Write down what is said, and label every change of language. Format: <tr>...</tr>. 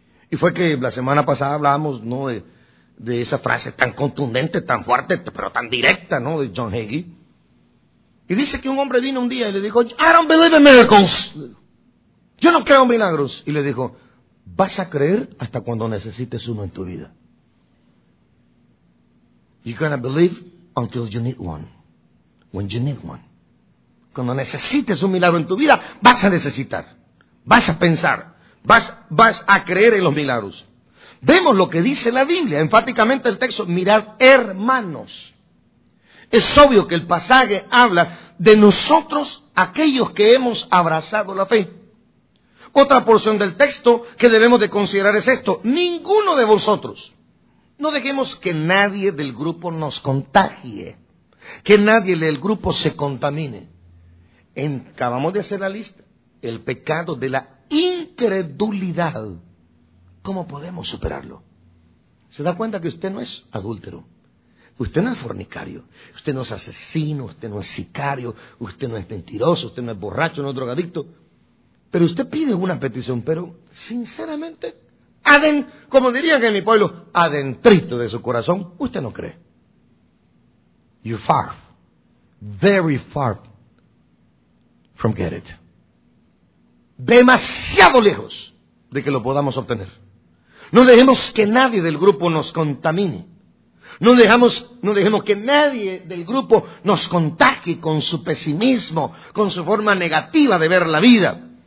<es>Y fue que la semana pasada hablábamos, ¿no?, de esa frase tan contundente, tan fuerte, pero tan directa, ¿no?, de John Hagee. Y dice que un hombre vino un día y le dijo,</es> <en>I don't believe in miracles.</en> <es>Yo no creo en milagros. Y le dijo, vas a creer hasta cuando necesites uno en tu vida.</es> <en>You're gonna believe until you need one. When you need one.</en> <es>Cuando necesites un milagro en tu vida, vas a necesitar. Vas a pensar. Vas a creer en los milagros. Vemos lo que dice la Biblia, enfáticamente el texto. Mirad, hermanos. Es obvio que el pasaje habla de nosotros, aquellos que hemos abrazado la fe. Otra porción del texto que debemos de considerar es esto. Ninguno de vosotros. No dejemos que nadie del grupo nos contagie. Que nadie del grupo se contamine. Acabamos de hacer la lista. El pecado de la incredulidad. ¿Cómo podemos superarlo? ¿Se da cuenta que usted no es adúltero? Usted no es fornicario. Usted no es asesino. Usted no es sicario. Usted no es mentiroso. Usted no es borracho, no es drogadicto. Pero usted pide una petición, pero sinceramente, como dirían en mi pueblo, adentrito de su corazón, usted no cree.</es> <en>You're far, very far from get it.</en> <es>Demasiado lejos de que lo podamos obtener. No dejemos que nadie del grupo nos contamine. No dejemos que nadie del grupo nos contagie con su pesimismo, con su forma negativa de ver la vida.</es>